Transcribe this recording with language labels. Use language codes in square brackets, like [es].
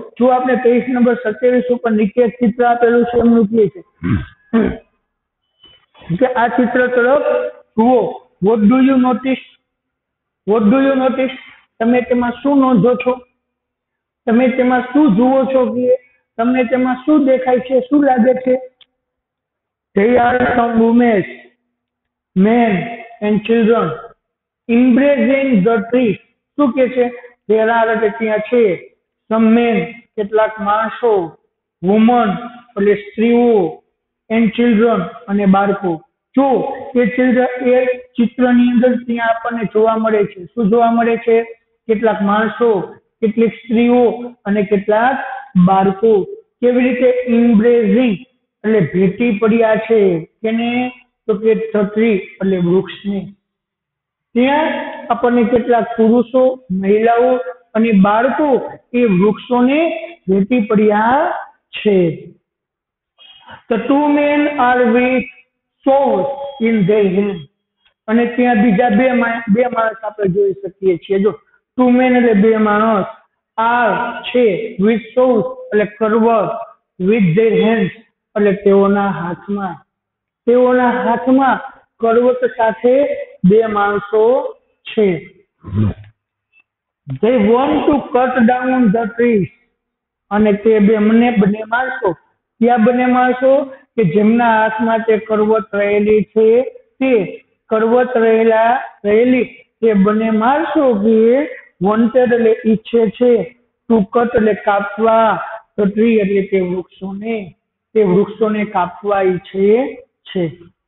[gu] જો આપણે 23 નંબર 27 ઉપર નીચે ચિત્ર આપેલું છે એમનું કહે છે કે આ ચિત્ર તરફ જુઓ. [en] What do you notice? What do you notice? [gu] તમે તેમાં શું નોંધો છો? તમે તેમાં શું જુઓ છો કે તમને તેમાં શું દેખાય છે, શું લાગે છે? [en] They are some women, men and children embracing the tree. [gu] શું કે છે? [en] There are the [gu] ત્યાં છે [en] some men, [gu] કેટલાક માણસો, [en] woman [gu] એટલે સ્ત્રીઓ, [en] and children [gu] અને બાળકો. જો એ ચિલ્ડ્રન એ ચિત્રની અંદર ત્યાં આપણને જોવા મળે છે, શું જોવા મળે છે? કેટલાક માણસો, કેટલીક સ્ત્રીઓ અને કેટલાક બાળકો કેવી રીતે ઇમ્બ્રેઝિંગ એટલે ભેટી પડ્યા છે કેને, તો કે છત્રી એટલે વૃક્ષને. ત્યાં આપણને કેટલાક પુરુષો, મહિલાઓ અને બાળકો એ વૃક્ષોને ભેટી પડ્યા છે. [en] The two men are with swords in their hand. [gu] અને ત્યાં બીજા બે માણસ આપણે જોઈ શકીએ છીએ. જો [en] two men [gu] એટલે બે માણસ, are છે [en] with swords [gu] એટલે કરવત, [en] with their hands [gu] એટલે તેઓના હાથમાં, તેઓના હાથમાં કરવત સાથે બે માણસો છે. [en] They want to cut down the trees. [gu] અને તે બંને બંને માણસો, ક્યાં બંને માણસો? કે જેમના હાથમાં તે કરવત રહેલી છે, તે કરવત રહેલા રહેલી તે બંને માણસો કે વોન્ટેડ એટલે ઈચ્છે છે, ટૂકટ એટલે કાપવા, ટ્રી એટલે તે વૃક્ષોને, તે વૃક્ષોને કાપવા ઈચ્છે છે.